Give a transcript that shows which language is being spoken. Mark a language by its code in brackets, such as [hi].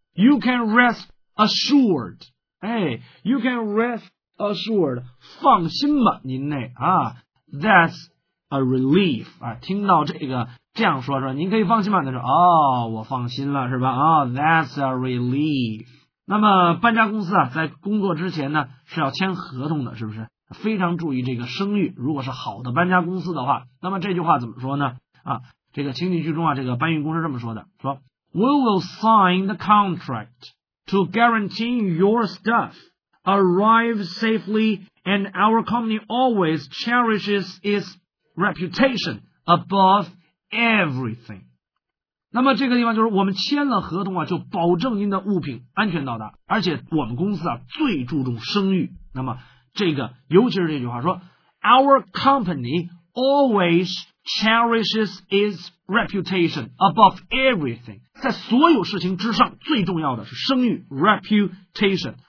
[en] You can rest assured， [zh] 哎 ，You can rest assured， 放心吧，您那啊 ， [en] That's a relief [zh] 啊，听到这个这样说说，您可以放心吧，他说哦，我放心了，是吧？啊 ， [en] That's a relief。 [zh] 那么搬家公司啊在工作之前呢是要签合同的，是不是？非常注意这个声誉，如果是好的搬家公司的话，那么这句话怎么说呢？ [en] 啊，这个情景剧中啊这个搬运工是这么说的，说 We will sign the contract to guarantee your stuff arrive safely and our company always cherishes its reputation above everything。 [zh] 那么这个地方就是我们签了合同啊，就保证您的物品安全到达，而且我们公司啊最注重声誉。那么这个尤其是这句话说 ， [en] Our company always cherishes its reputation above everything， [zh] 在所有事情之上最重要的是声誉 reputation。